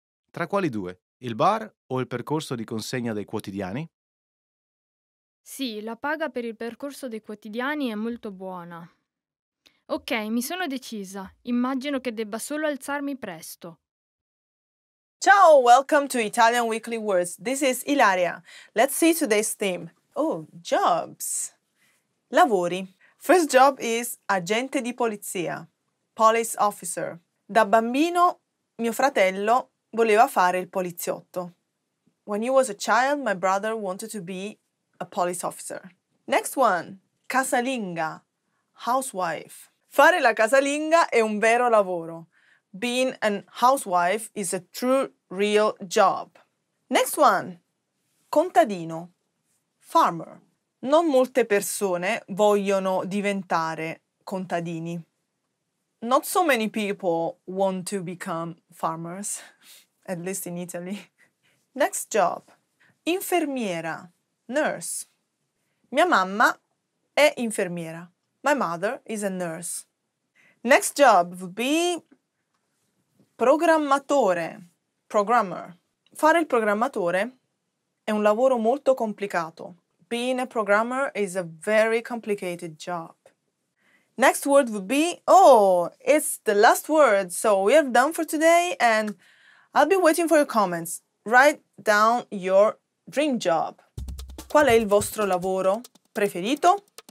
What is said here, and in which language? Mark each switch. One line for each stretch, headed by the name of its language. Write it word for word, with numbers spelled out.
Italian: Tra quali due? Il bar o il percorso di consegna dei quotidiani? Sì, la paga per il percorso dei quotidiani è molto buona. Ok, mi sono decisa. Immagino che debba solo alzarmi presto.
English: Ciao, welcome to Italian Weekly Words. This is Ilaria. Let's see today's theme. Oh, jobs. Lavori. First job is agente di polizia, police officer.
Italian: Da bambino mio fratello voleva fare il poliziotto.
English: When he was a child, my brother wanted to be a police officer. Next one, casalinga, housewife.
Italian: Fare la casalinga è un vero lavoro.
English: Being a housewife is a true, real job. Next one, contadino, farmer.
Italian: Non molte persone vogliono diventare contadini.
English: Not so many people want to become farmers, at least in Italy. Next job, infermiera, nurse.
Italian: Mia mamma è infermiera.
English: My mother is a nurse. Next job would be programmatore, programmer.
Italian: Fare il programmatore è un lavoro molto complicato.
English: Being a programmer is a very complicated job. Next word would be, oh, it's the last word. So we are done for today and I'll be waiting for your comments. Write down your dream job.
Italian: Qual è il vostro lavoro preferito?